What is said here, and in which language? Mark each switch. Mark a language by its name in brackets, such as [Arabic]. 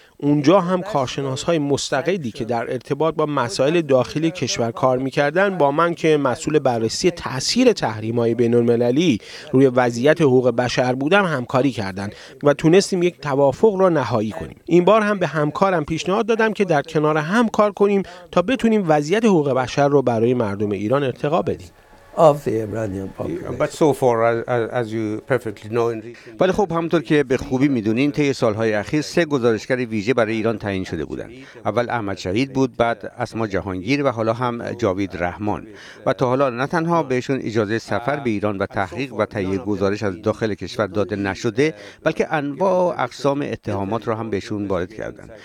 [Persian] اونجا هم کارشناس‌های مستقلی که در ارتباط با مسائل داخلی کشور کار می‌کردن با من که مسئول بررسی تأثیر تحریم‌های بین‌المللی روی وضعیت حقوق بشر بودم همکاری کردند و تونستیم یک توافق را نهایی کنیم. این بار هم به همکارم پیشنهاد دادم که در کنار هم کار کنیم تا بتونیم وضعیت حقوق بشر را برای مردم ایران ارتقا بدیم. [English] Of the Iranian population. But so far, as you perfectly know, in recent. [Persian] ولی خب همونطور که به خوبی میدونین طی سالهای اخیر سه گزارشگر ویژه برای ایران تعیین شده بودند. اول احمد شهید بود، بعد اسما جهانگیر و حالا هم جاوید رحمان. و تا حالا نه تنها بهشون اجازه سفر به ایران و تحقیق و تهیه گزارش از داخل کشور داده نشده، بلکه انواع اقسام اتهامات را هم بهشون وارد کردند.